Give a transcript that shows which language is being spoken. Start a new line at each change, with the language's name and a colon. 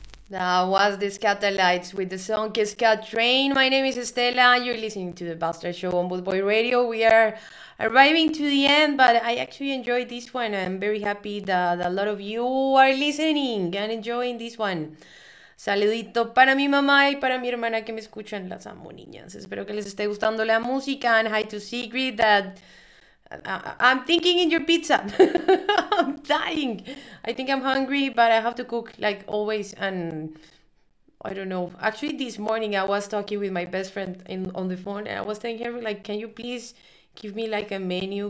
English: That was the Scatterlights with the song Cascade Train. My name is Estela, and you're listening to the Bastard Show on Boot Boy Radio. We are arriving to the end, but I actually enjoyed this one. I'm very happy that a lot of you are listening and enjoying this one.
Spanish: Saludito para mi mamá y para mi hermana que me escuchan. Las amo, niñas. Espero que les esté gustando la música.
English: And hi to Sigrid, that I'm thinking in your pizza. I'm dying. I think I'm hungry, but I have to cook like always. And I don't know. Actually, this morning I was talking with my best friend on the phone, and I was telling her, like, can you please give me like a menu?